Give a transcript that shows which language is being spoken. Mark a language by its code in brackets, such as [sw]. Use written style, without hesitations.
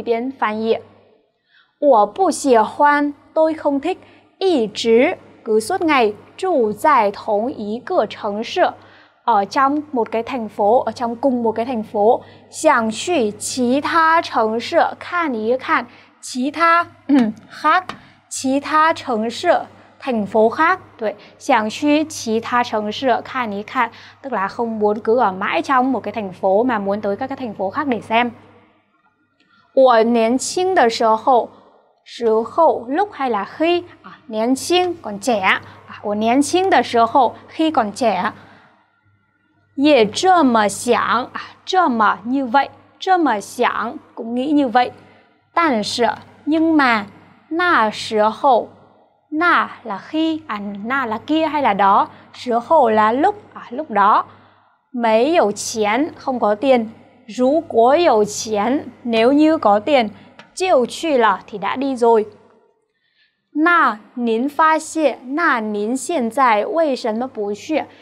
[zh] 现在钱不是问题了，主要是没有时间。我认为现在您有时间也不会出去玩。你说得对，我现在累得下了班就想睡觉。好，现在咱们一边读一边翻译。我不喜欢, tôi không thích, 一直, cứ suốt ngày, 住在同一个城市, ở trong một cái thành phố, ở trong cùng một cái thành phố. 想去其他城市, 看一看, 其他, khác, 其他城市, thành phố khác. [vi] 对, 想去其他城市, 看一看, tức là không muốn cứ ở mãi trong một cái thành phố, mà muốn tới các cái thành phố khác để xem. 我年轻的时候, 时候, lúc hay là khi, 年轻, còn trẻ, 我年轻的时候, khi còn trẻ, 也这么想, 这么, như vậy, 这么想, cũng nghĩ như vậy, 但是, nhưng mà, 那时候, 那 là khi, 那 là kia hay là đó, 时候 là lúc, lúc đó, 没有钱, không có tiền, 如果有钱, nếu như có tiền, 就去了, thì đã đi rồi. [zh] 那您发现, 那您现在为什么不去?